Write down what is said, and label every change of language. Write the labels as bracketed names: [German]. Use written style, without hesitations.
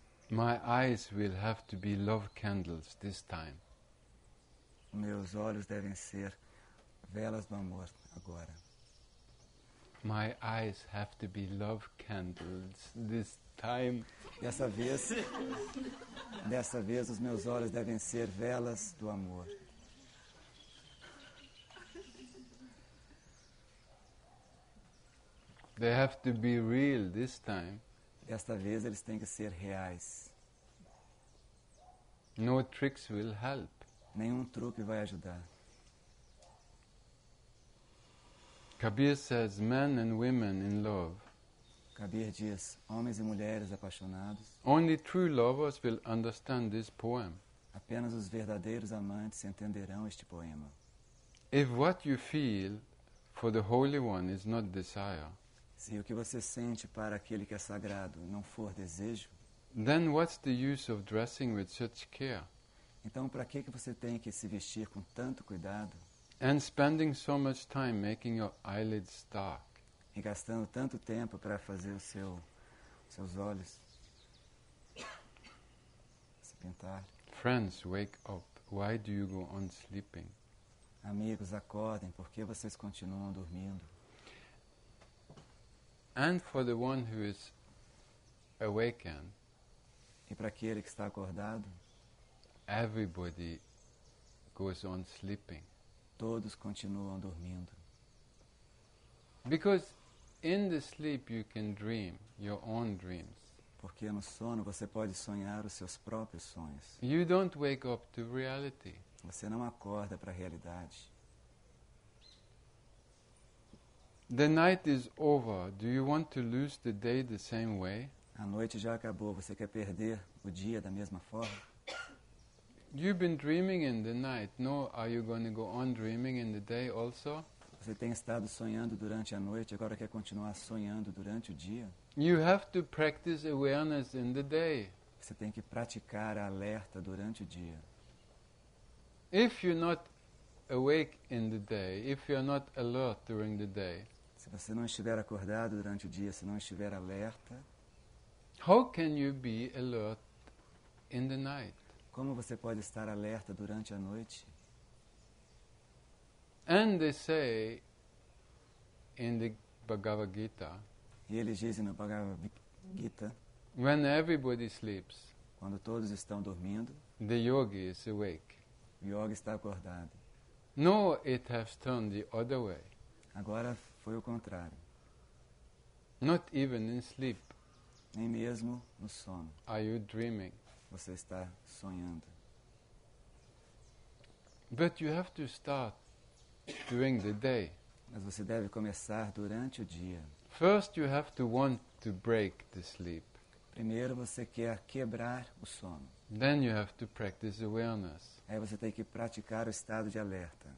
[English] My eyes will have to be love candles this time. [Portuguese] Meus olhos devem ser velas do amor agora. [English] My eyes have to be love candles this time. [Portuguese] Dessa vez os meus olhos devem ser velas do amor. [English] They have to be real this time. [Portuguese] Desta vez eles têm que ser reais. [English] No tricks will help. [Portuguese] Nenhum truque vai ajudar. [English] Kabir says, men and women in love. [Portuguese] Kabir diz, homens e mulheres apaixonados. [English] Only true lovers will understand this poem. [Portuguese] Apenas os verdadeiros amantes entenderão este poema. [English] If what you feel for the Holy One is not desire. [Portuguese] Se o que você sente para aquele que é sagrado não for desejo, [English] then what's the use of dressing with such care? [Portuguese] Então, para que você tem que se vestir com tanto cuidado? [English] And spending so much time making your eyelids dark. [Portuguese] E gastando tanto tempo para fazer os seus olhos se pintar. [English] Friends, wake up. Why do you go on sleeping? [Portuguese] Amigos, acordem. Por que vocês continuam dormindo? [English] And for the one who is awakened. [Portuguese] E para aquele que está acordado? [English] Everybody goes on sleeping. [Portuguese] Todos continuam dormindo. [English] Because in the sleep you can dream your own dreams. [Portuguese] Porque no sono você pode sonhar os seus próprios sonhos. [English] You don't wake up to reality. [Portuguese] Você não acorda para a realidade. [English] The night is over. Do you want to lose the day the same way? [Portuguese] A noite já acabou. Você quer perder o dia da mesma forma? [English] You've been dreaming in the night. No, are you going to go on dreaming in the day also? [Portuguese] Você tem estado sonhando durante a noite, agora quer continuar sonhando durante o dia? [English] You have to practice awareness in the day. [Portuguese] Você tem que praticar alerta durante o dia. [English] If you're not awake in the day, if you're not alert during the day. [Portuguese] Se você não estiver acordado durante o dia, se não estiver alerta, [English] how can you be alert in the night? [Portuguese] Como você pode estar alerta durante a noite? [English] And they say in the Bhagavad Gita. [Portuguese] E eles dizem no Bhagavad Gita. [English] When everybody sleeps. [Portuguese] Quando todos estão dormindo. [English] The yogi is awake. [Portuguese] O yogi está acordado. [English] No, it has turned the other way. [Portuguese] Agora foi o contrário. [English] Not even in sleep. [Portuguese] Nem mesmo no sono. [English] Are you dreaming? [Portuguese] Você está sonhando. [English] But you have to start during the day. [Portuguese] Mas você deve começar durante o dia. [English] First you have to want to break the sleep. [Portuguese] Primeiro você quer quebrar o sono. [English] Then you have to practice awareness. [Portuguese] Aí você tem que praticar o estado de alerta.